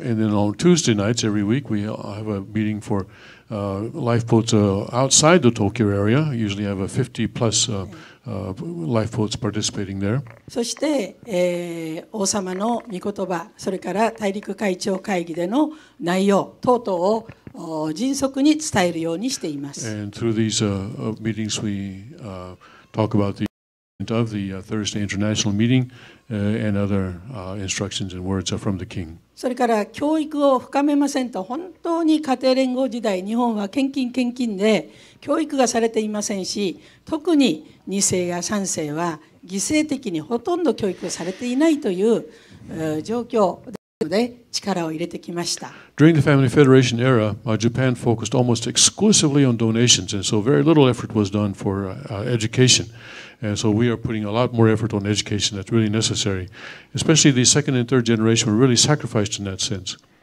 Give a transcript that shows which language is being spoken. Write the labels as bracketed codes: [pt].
[en] And then on Tuesday nights every week, we have a meeting for lifeboats outside the Tokyo area. Usually have a 50 plus lifeboats participating there. [ja] そして、王様の御言葉、それから大陸会長会議での内容等々を迅速に伝えるようにしています。 [en] And through these meetings, we talk about the event of the Thursday international meeting and other instructions and words from the king. [ja] それから教育を深めませんと、本当に家庭連合時代、日本は献金献金で教育がされていませんし、特に二世や三世は犠牲的にほとんど教育されていないという状況です。 [en] During the Family Federation era, Japan focused almost exclusively on donations, and so very little effort was done for education. And so we are putting a lot more effort on education that's really necessary. Especially the second and third generation were really sacrificed in that sense.